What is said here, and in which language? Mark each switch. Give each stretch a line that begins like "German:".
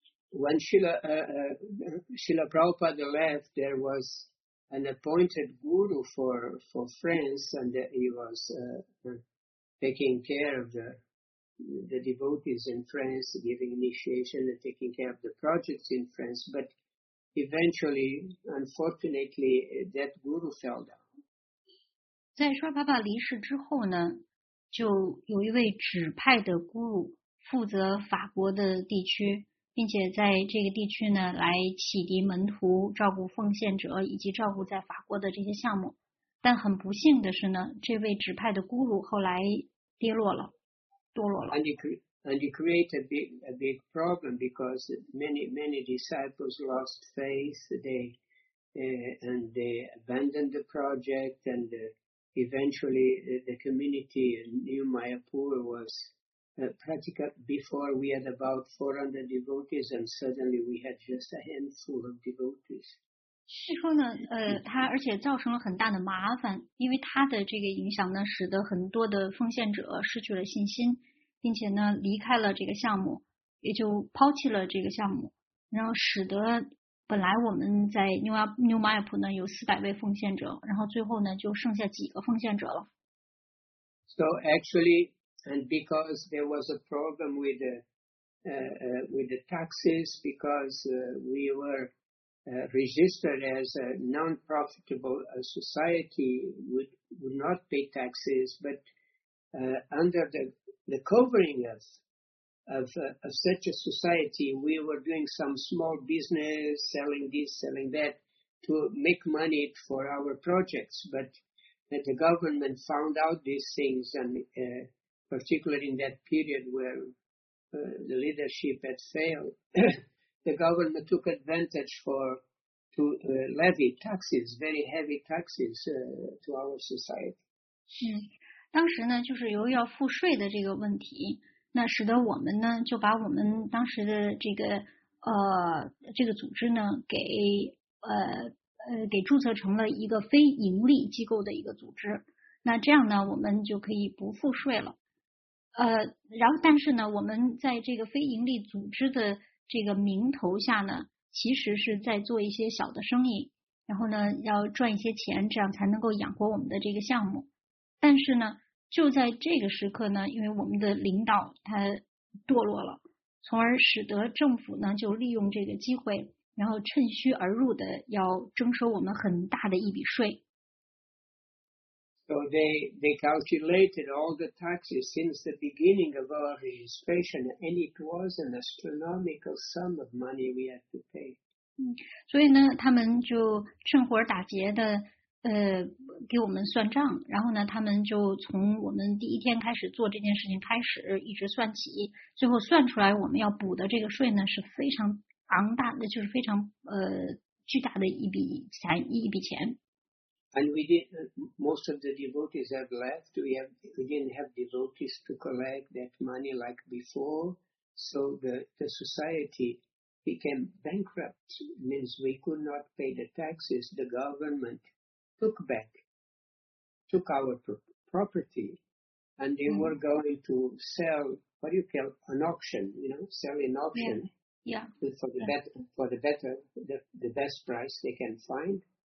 English: When Srila Prabhupada left, there was an appointed guru for France, and he was taking care of the devotees in France, giving initiation and taking care of the projects in France, but eventually, unfortunately, that guru fell down.
Chinese: 在舍勒帕帕离世之后呢，就有一位指派的孤儒负责法国的地区，并且在这个地区呢来启迪门徒、照顾奉献者以及照顾在法国的这些项目。但很不幸的是呢，这位指派的孤儒后来跌落了。
English: And he created a big problem because many disciples lost faith. They abandoned the project, and eventually the community in New Mayapur was practically before we had about 400 devotees, and suddenly we had just a handful of devotees.
Chinese: 据说呢，他而且造成了很大的麻烦，因为他的这个影响呢，使得很多的奉献者失去了信心。并且呢，离开了这个项目，也就抛弃了这个项目，然后使得本来我们在 New Mayapur 呢有400位奉献者，然后最后呢就剩下几个奉献者了。
English: So actually, and because there was a problem with the taxes, because we were registered as a non-profitable society, would not pay taxes, but under the covering of such a society, we were doing some small business, selling this, selling that, to make money for our projects. But the government found out these things, and particularly in that period where the leadership had failed, the government took advantage to levy taxes, very heavy taxes to our society. Mm-hmm.
Chinese: 当时呢就是由于要付税的这个问题，那使得我们呢就把我们当时的这个组织呢给注册成了一个非盈利机构的一个组织，那这样呢我们就可以不付税了。然后但是呢我们在这个非盈利组织的这个名头下呢其实是在做一些小的生意，然后呢要赚一些钱，这样才能够养活我们的这个项目。但是呢就在这个时刻呢，因为我们的领导他堕落了，从而使得政府呢就利用这个机会，然后趁虚而入的要征收我们很大的一笔税。
English: So they calculated all the taxes since the beginning of our registration, and it was an astronomical sum of money we had to pay.
Chinese: 所以呢，他们就趁火打劫的，给我们算账。然后呢，他们就从我们第一天开始做这件事情开始，一直算起，最后算出来我们要补的这个税呢是非常昂大的，就是非常巨大的一笔钱，一笔钱。
English: And we didn't. Most of the devotees have left. We didn't have devotees to collect that money like before. So the society. Became bankrupt means we could not pay the taxes. The government took our property, and they were going to sell, what do you call an auction, you know, sell an auction for the better, the best price they can find.